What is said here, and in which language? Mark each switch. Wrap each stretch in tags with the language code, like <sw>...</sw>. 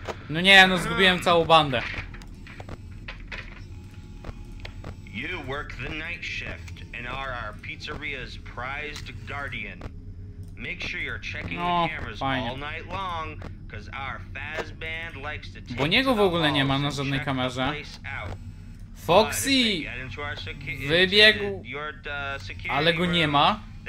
<pl>No nie, no zgubiłem całą bandę.</pl> <en>You work the night shift and are our pizzeria's prized guardian. Make sure you're checking the cameras all night long, cause our Faz band likes to take.</en> <pl>Bo niego w ogóle nie ma na żadnej kamerze. Foxy wybiegł, ale go nie ma.</pl>